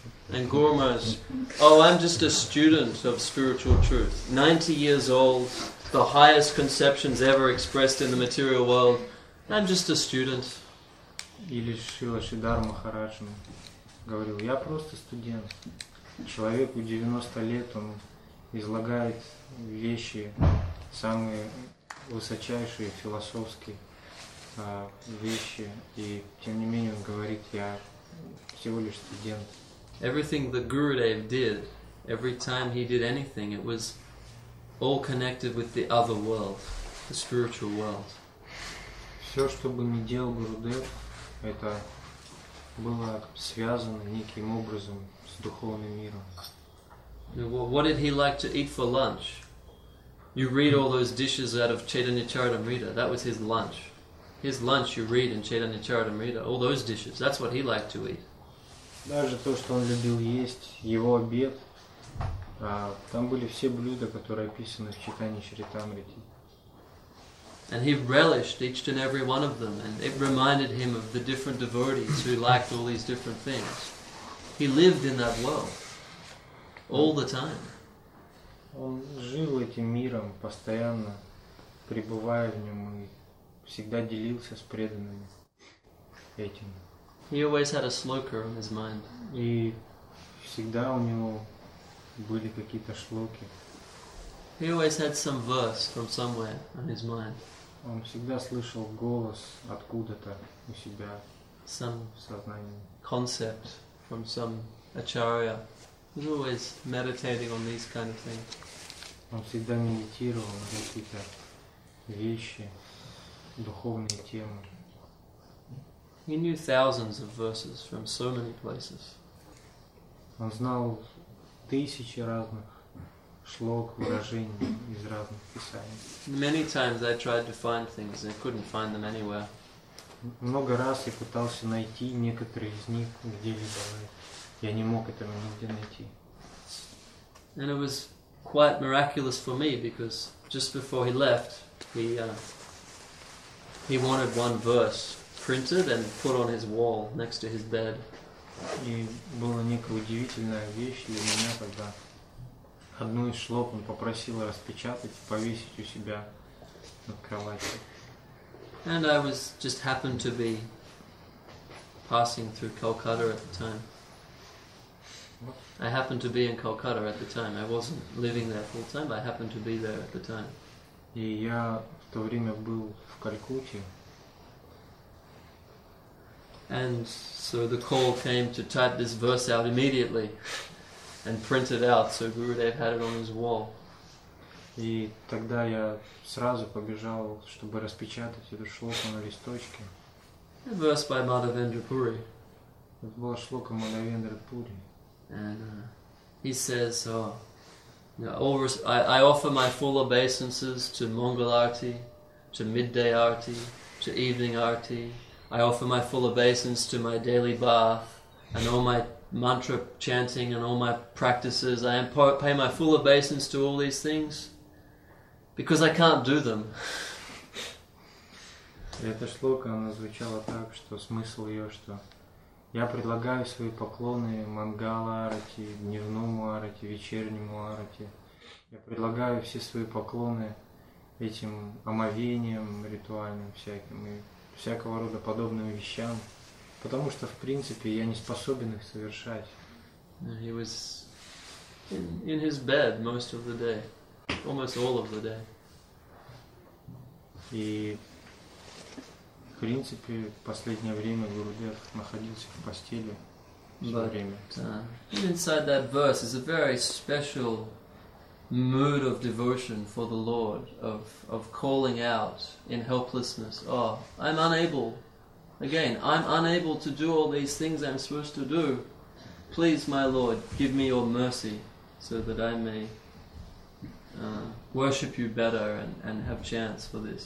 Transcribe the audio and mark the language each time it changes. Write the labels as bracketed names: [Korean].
[English] And Gurmaj, oh, I'm just a student of spiritual truth. 90 years old, the highest conceptions ever expressed in the material world. I'm just a student. [Russian] Или Шрила Шридхар Махарадж говорил, я просто студент. Человеку 90 лет, он излагает вещи самые высочайшие философские. Вещи, и тем не менее он говорит, я всего лишь студент. [English] Everything that Gurudev did, every time he did anything, it was all connected with the other world, the spiritual world. [Russian] Все, что бы ни делал Гурудев, это было связано неким образом с духовным миром. [English] What did he like to eat for lunch? You read all those dishes out of Chaitanya Charitamrita. That was his lunch. His lunch you read in Chaitanya Charitamrita, all those dishes, that's what he liked to eat. [Russian] Даже то, что он любил есть, его обед, там были все блюда, которые описаны в Чайтанья Чаритамрите. [English] And he relished each and every one of them, and it reminded him of the different devotees who liked all these different things. He lived in that world, all the time. [Russian] Он жил этим миром, постоянно пребывая в нем, и всегда делился с преданными этим. [English] He always had a shloka on his mind. [Russian] И всегда у него были какие-то шлоки. [English] He always had some verse from somewhere on his mind. [Russian] Он всегда слышал голос откуда-то у себя в сознании. [English] Some concept from some acharya. He's always meditating on these kind of things. [Russian] Он всегда медитировал на какие-то вещи. Духовные темы. [English] He knew thousands of verses from so many places. [Russian] Он знал тысячи разных шлок, выражений из разных писаний. [English] Many times I tried to find things and couldn't find them anywhere. [Russian] Много раз я пытался найти некоторые из них где-либо, я не мог этого нигде найти. [English] And it was quite miraculous for me because just before he left, he wanted one verse printed and put on his wall next to his bed. [Russian] И была некая удивительная вещь для меня, когда одну из шлок он попросил распечатать и повесить у себя над кроватью. [English] And I was just happened to be passing through Calcutta at the time. I happened to be in Calcutta at the time. I wasn't living there full time, but I happened to be there at the time. [Russian] И я в то время был в Калькутте. [English] And so the call came to type this verse out immediately and print it out, so Gurudev had it on his wall. [Russian] И тогда я сразу побежал, чтобы распечатать эту шлоку на листочке. [English] A verse by Madhavendra Puri. [Russian] Это была шлока Мадхавендра Пури. [English] And he says, oh, you know, I offer my full obeisances to Mangalarti, to Midday Arti, to Evening Arti. I offer my full obeisance to my daily bath and all my mantra chanting and all my practices. I pay my full obeisance to all these things because I can't do them. [Russian] Эта шлока, она звучала так, что смысл ее, что я предлагаю свои поклоны Мангала-арати, дневному арати, вечернему арати. Я предлагаю все свои поклоны этим омовениям ритуальным всяким и всякого рода подобным вещам, потому что, в принципе, я не способен их совершать. [English] He was in his bed most of the day, almost all of the day. [Russian] И, в принципе, в последнее время Гурудев находился в постели все время. [English] But inside that verse is a very special mood of devotion for the Lord, of calling out in helplessness, oh, I'm unable, again, I'm unable to do all these things I'm supposed to do. Please, my Lord, give me your mercy so that I may worship you better and have chance for this.